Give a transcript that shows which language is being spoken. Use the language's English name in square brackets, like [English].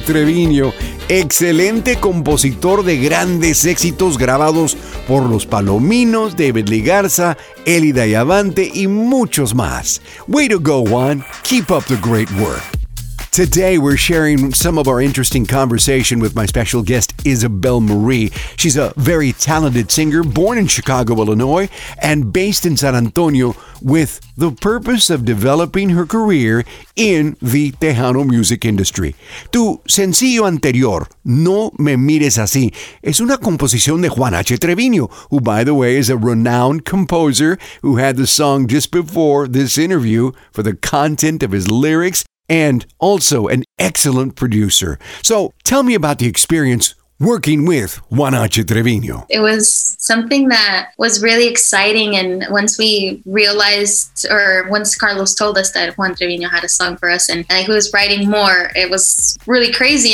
[Spanish] Treviño, excelente compositor de grandes éxitos grabados por Los Palominos, David Ligarza, Elida Yavante y muchos más. [English] Way to go, Juan. Keep up the great work. Today, we're sharing some of our interesting conversation with my special guest, Isabel Marie. She's a very talented singer, born in Chicago, Illinois, and based in San Antonio, with the purpose of developing her career in the Tejano music industry. [Spanish] Tu sencillo anterior, No Me Mires Así, es una composición de Juan H. [English] Treviño, who, by the way, is a renowned composer who had the song just before this interview for the content of his lyrics, and also an excellent producer. So tell me about the experience working with Juan H. Treviño. It was something that was really exciting. And once we realized, or once Carlos told us that Juan Treviño had a song for us and he was writing more, it was really crazy.